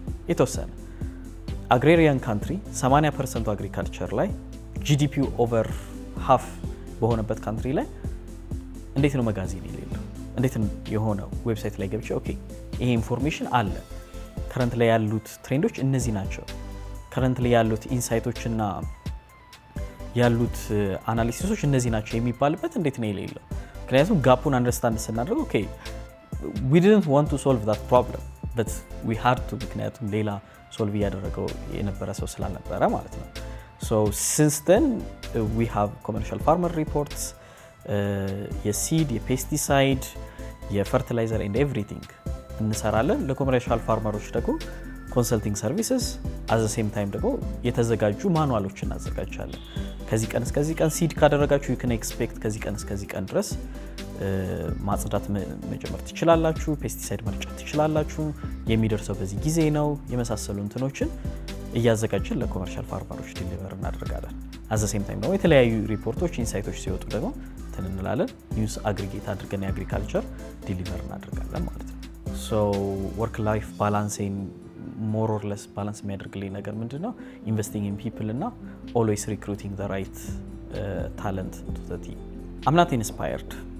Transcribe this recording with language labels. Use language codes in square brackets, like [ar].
[am] የተወሰነ [en] agrarian country [am] 80% agriculture ላይ GDP over half በሆነበት country ላይ እንዴት ነው ማጋዚን የሌለው? እንዴት ነው የሆነ ዌብሳይት ላይ ገብቼ ኦኬ ይሄ ኢንፎርሜሽን አለ current ላይ ያሉት ትሬንዶች እነዚህ ናቸው current ላይ ያሉት ኢንሳይቶችና ያሉት አናሊሲሶች እነዚህ ናቸው የሚባልበት እንዴት ነው የሌለው? ምክንያቱም ጋፑን አንደርስታንድ ስናደርግ ኦኬ [en] we didn't want to solve that problem but we had to [am] ምክንያቱም ሌላ ሶልቭ ያደረገው የነበረ ሰው ስላልነበረ ማለት ነው። [en] So since then we have commercial farmer reports your seed your pesticide your fertilizer and everything [am] እንሰራለን። ለኮመርሻል ፋርመሮች ደግሞ ኮንሰልቲንግ ሰርቪስስ አዘ ሴም ታይም ደግሞ የተዘጋጁ ማኑዋሎችን እናዘጋጃለን። ከዚህ ቀን እስከዚህ ቀን ሲድ ካደረጋችሁ ዩከን ኤክስፔክት ከዚህ ቀን እስከዚህ ቀን ድረስ ማጽዳት መጀመር ትችላላችሁ፣ ፔስቲሳይድ መርጨት ትችላላችሁ፣ የሚደርሰው በዚህ ጊዜ ነው የመሳሰሉ እንትኖችን እያዘጋጀን ለኮመርሻል ፋርመሮች ዲሊቨር እናደርጋለን። አዘ ሴም ታይም ደግሞ የተለያዩ ሪፖርቶች ኢንሳይቶች ሲወጡ ደግሞ ተነንላለን ኒውስ አግሪጌት አድርገን የአግሪካልቸር ዲሊቨር እናደርጋለን ማለት ነው። ሶ ወርክ ላይፍ ባላንሲንግ [en] more or less balance [am] የሚያደርግልኝ ነገር ምንድነው? [en] investing in people እና always recruiting the right talent to the team. I'm not inspired.